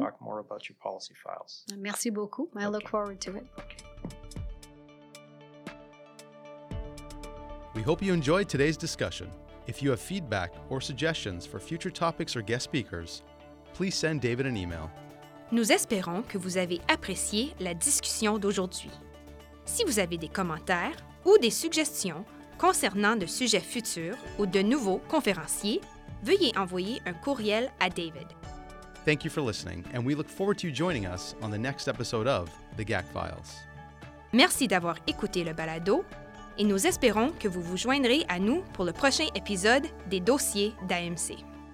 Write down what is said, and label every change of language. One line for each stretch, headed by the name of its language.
English: talk more about your policy files.
French: Merci beaucoup.
English: I look forward to it. We hope you enjoyed today's discussion. If you have feedback or suggestions for future topics or guest speakers, please send David an email.
French: Nous espérons que vous avez apprécié la discussion d'aujourd'hui. Si vous avez des commentaires ou des suggestions concernant de sujets futurs ou de nouveaux conférenciers, veuillez envoyer un courriel à David.
English: Thank you for listening, and we look forward to you joining us on the next episode of The GAC Files.
French: Merci d'avoir écouté le balado et nous espérons que vous vous joindrez à nous pour le prochain épisode des Dossiers d'AMC.